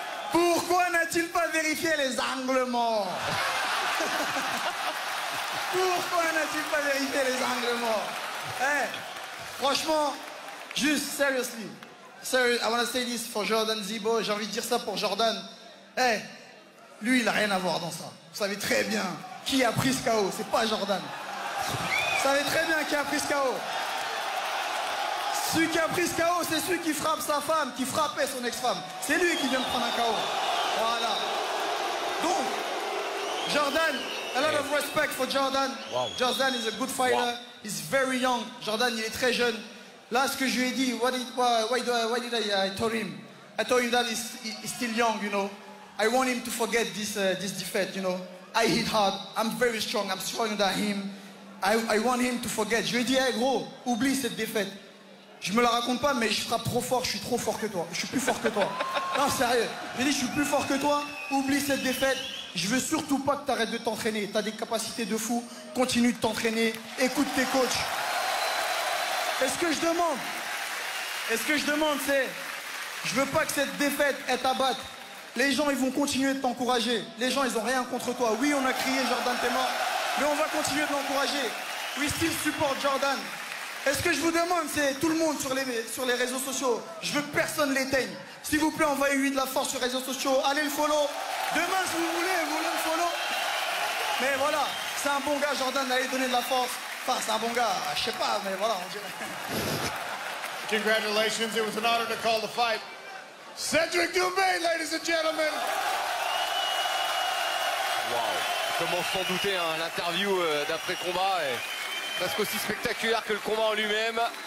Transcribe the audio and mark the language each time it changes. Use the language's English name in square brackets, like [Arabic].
[French] Pourquoi n'a-t-il pas vérifié les angles morts? Pourquoi n'a-t-il pas vérifié les angles morts? Hey, franchement, juste, [English] seriously. Seriously, I want to say this for Jordan Zibo. [French] J'ai envie de dire ça pour Jordan. Hey, lui, il n'a rien à voir dans ça. Vous savez très bien qui a pris ce KO. C'est pas Jordan. Vous savez très bien qui a pris ce KO. Celui qui a pris ce KO, c'est celui qui frappe sa femme, qui frappait son ex-femme. C'est lui qui vient de prendre un KO. [English] Voilà. Donc, Jordan, a lot of respect for Jordan. Wow. Jordan is a good fighter. Wow. He's very young. [French] Jordan, il est très jeune. Là, ce que je lui ai dit, [English] why did I tell him? I told him that he's still young, you know. I want him to forget this defeat, you know. I hit hard. I'm very strong. I'm stronger than him. I want him to forget. [French] Je lui ai dit, hey gros, oublie cette défaite. Je me la raconte pas, mais je frappe trop fort, je suis trop fort que toi. Je suis plus fort que toi. Non, sérieux. J'ai dit, je suis plus fort que toi. Oublie cette défaite. Je veux surtout pas que tu arrêtes de t'entraîner. Tu as des capacités de fou. Continue de t'entraîner. Écoute tes coachs. Et ce que je demande, c'est, je veux pas que cette défaite, elle t'abatte. Les gens, ils vont continuer de t'encourager. Les gens, ils ont rien contre toi. Oui, on a crié Jordan, t'es mort. Mais on va continuer de l'encourager. [English] We still support Jordan. [French] Et ce que je vous demande, c'est tout le monde sur les réseaux sociaux, je veux que personne l'éteigne. S'il vous plaît, envoyez-lui de la force sur les réseaux sociaux. Allez le follow. Demain, si vous voulez, vous le follow. Mais voilà, c'est un bon gars, Jordan, allez donner de la force. Enfin, c'est un bon gars, je sais pas, mais voilà, on dirait. [English] Congratulations, it was an honor to call the fight. Cédric Doumbé, ladies and gentlemen. [French] Wow, comment s'en douter, hein, l'interview d'après combat. Presque aussi spectaculaire que le combat en lui-même.